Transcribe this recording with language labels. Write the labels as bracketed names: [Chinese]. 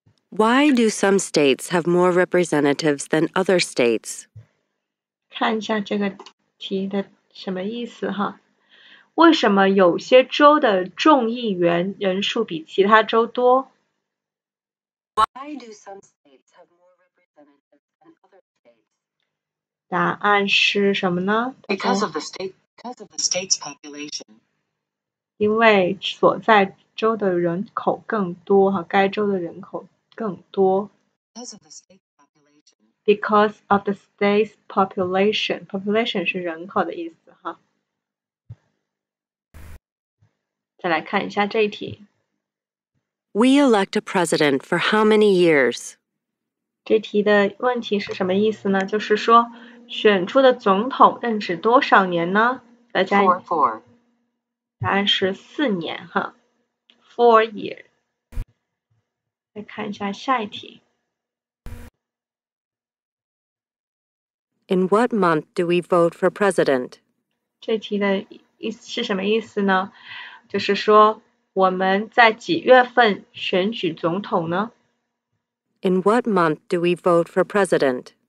[English] Why do some states have more representatives than other states? [Chinese] 看一下这个题的什么意思哈？为什么有些州的众议员人数比其他州多？ [English] Why do some states have more representatives than other states? [Chinese] 答案是什么呢？ [English] Because of the state's population. [Chinese] 因为所在州的人口更多哈，该州的人口。更多。 [English] Because of the state's population. [Chinese] Population 是人口的意思哈。再来看一下这一题。 [English] We elect a president for how many years? [Chinese] 这题的问题是什么意思呢？就是说，选出的总统任职多少年呢？大家。 [English] 4. [Chinese] 答案是4年哈。 [English] 4 years. [Chinese] 再看一下下一题。 [English] In what month do we vote for president? [Chinese] 这题的意思是什么意思呢？就是说我们在几月份选举总统呢？ [English] In what month do we vote for president?